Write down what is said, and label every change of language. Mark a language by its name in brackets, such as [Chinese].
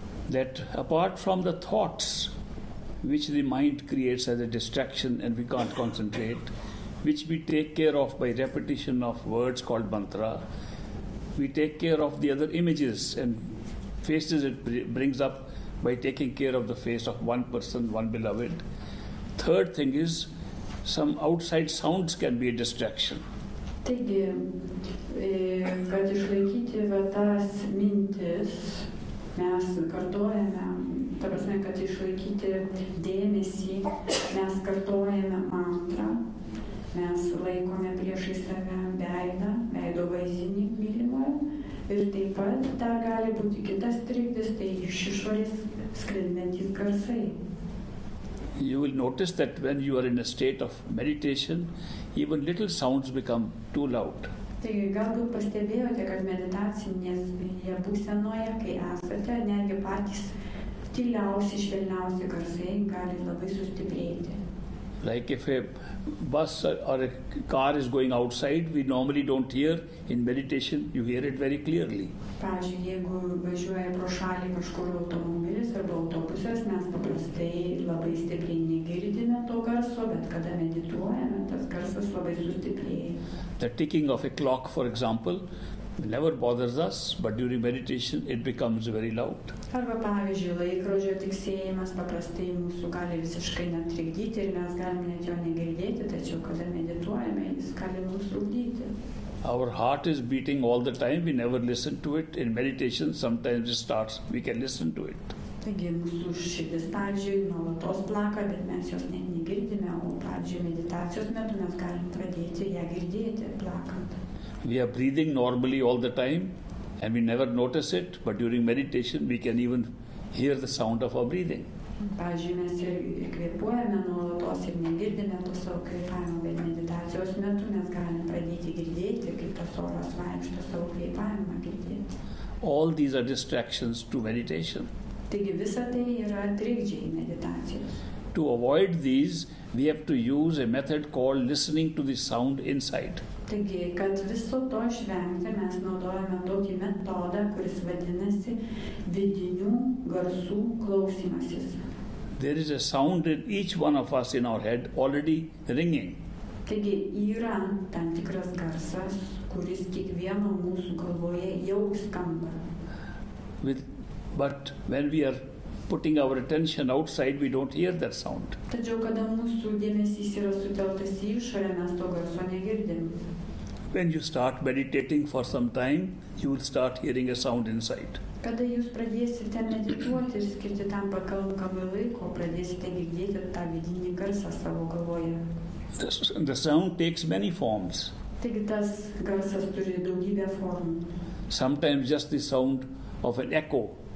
[English] That apart from the thoughts which the mind creates as a distraction and we can't concentrate, which we take care of by repetition of words called mantra, we take care of the other images and faces it brings up by taking care of the face of one person, one beloved. Third thing is, some outside sounds can be a distraction. [Lithuanian] Taigi, kad išlaikyti vatas mintis, mes kartuojame, ta prasme, kad išlaikyti dėmesį, mes kartuojame mantrą. Mes laikome priešai save veidą, veido vaizdinį mylimoje. Ir taip pat dar gali būti kitas trikdis, tai iš išorės sklindantys garsai. [English] You will notice that when you are in a state of meditation, even little sounds become too loud. [Lithuanian] Taigi galbūt pastebėjote, kad meditacinėje būsenoje, kai esate, netgi patys tyliausi, švelniausi garsai gali labai sustiprėti. [English] Like if a bus or a car is going outside, we normally don't hear. In meditation, you hear it very clearly. [Lithuanian] Pavyzdžiui, jeigu važiuoja pro šalį kažkur automobilis arba autobusas, mes paprastai labai stipriai negirdime to garso, bet kada medituojame, tas garsas labai sustiprėja. [English] The ticking of a clock, for example, never bothers us, but during meditation it becomes very loud. [Lithuanian] Arba pavyzdžiui, laikrodžio tiksėjimas paprastai mūsų gali visiškai netrikdyti ir mes galime net jo negirdėti, tačiau kada medituojame, jis gali mūsų trukdyti. [English] Our heart is beating all the time, we never listen to it. In meditation sometimes it starts, we can listen to it. [Lithuanian] Taigi mūsų širdis, pavyzdžiui, nuolatos plaka, bet mes jos negirdime, o pavyzdžiui, meditacijos metu mes galime pradėti ją girdėti plakant. [English] We are breathing normally all the time and we never notice it, but during meditation we can even hear the sound of our breathing. [Lithuanian] Pavyzdžiui, mes kvėpuojame nuolatos ir negirdime to savo kvėpavimo, bet meditacijos metu mes galime pradėti girdėti, kaip tas oras vaikšto savo kvėpavimą girdėti. [English] All these are distractions to meditation. [Lithuanian] Taigi visa tai yra trikdžiai meditacijos. [English] To avoid these, we have to use a method called listening to the sound inside. [Lithuanian] Taigi, kad viso to išvengti, mes naudojame tokį metodą, kuris vadinasi vidinių garsų klausymasis. [English] There is a sound in each one of us in our head already ringing. [Lithuanian] Taigi, yra tam tikras garsas, kuris kiekvieno mūsų galvoje jau skamba. [English] But when we are putting our attention outside, we don't hear that sound. [Lithuanian] Tačiau, kada mūsų dėmesys yra sutelktas į išorę, mes to garso negirdim. [English] When you start meditating for some time, you will start hearing a sound inside. [Lithuanian] Kada jūs pradėsite medituoti ir skirti tam pakankamai laiko, pradėsite girdėti tą vidinį garsą savo galvoje. [English] The sound takes many forms. [Lithuanian] Taigi tas garsas turi daugybę formų. [English] Sometimes just the sound of an echo.